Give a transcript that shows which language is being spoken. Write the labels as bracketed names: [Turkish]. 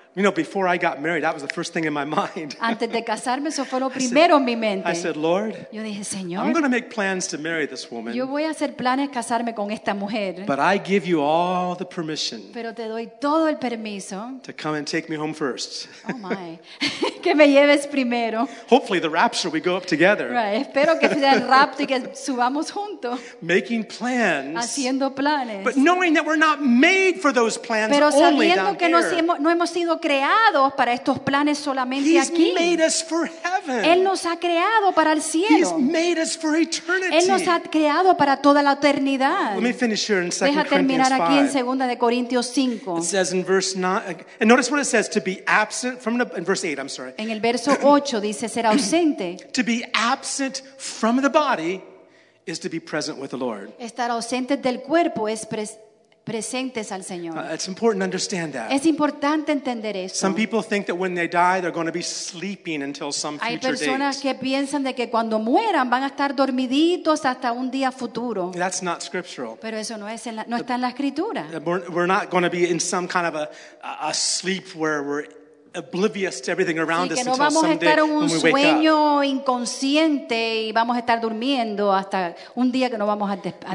[English] You know, before I got married, that was the first thing in my mind. [Spanish] Antes de casarme, eso fue lo primero en mi mente. [English] I said, Lord, [Spanish] yo dije, Señor, [English] I'm going to make plans to marry this woman. [Spanish] Yo voy a hacer planes casarme con esta mujer. [English] But I give you all the permission. [Spanish] Pero te doy todo el permiso. [English] To come and take me home first. Oh my, [Spanish] que me lleves primero. [English] Hopefully, the rapture we go up together. Right, [Spanish] espero que sea el rapto y que subamos juntos. [English] Making plans. [Spanish] Haciendo planes. [English] But knowing that we're not made for those plans [Spanish] Pero [English] only down [Spanish] que [English] here. [Spanish] Pero sabiendo que no hemos sido creados para estos planes solamente [English] He's [Spanish] aquí. [English] Made us for heaven. [Spanish] Él nos ha creado para el cielo. [English] He's made us for eternity. [Spanish] Él nos ha creado para toda la eternidad. [English] Let me finish here in 2 [Spanish] Deja terminar [English] Corinthians [Spanish] 5. Aquí en 2 Corintios 5. [English] It says in verse 9, and notice what it says, to be absent from the, in verse 8, I'm sorry. [Spanish] En el verso 8 dice ser ausente. [English] To be absent from the body is to be present with the Lord. [Spanish] Estar ausente del cuerpo es presentes al Señor. [English] It's important to understand that. [Spanish] Es importante entender eso. [English] Some people think that when they die they're going to be sleeping until some future date. [Spanish] Hay personas que piensan de que cuando mueran van a estar dormiditos hasta un día futuro. [English] That's not scriptural. [Spanish] Pero eso no es en la, no está en la escritura. [English] We're not going to be in some kind of a sleep where we're oblivious to everything around us until someday when we wake up. [Spanish] Que no vamos a estar en un sueño inconsciente y vamos a estar durmiendo hasta un día que no vamos a despertar.